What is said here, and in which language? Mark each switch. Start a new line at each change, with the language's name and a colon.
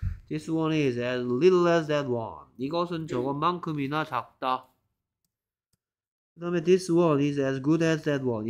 English: This one is as little as that one.
Korean: 이것은 저것만큼이나 작다. 그 다음에
English: this one is as good as that one.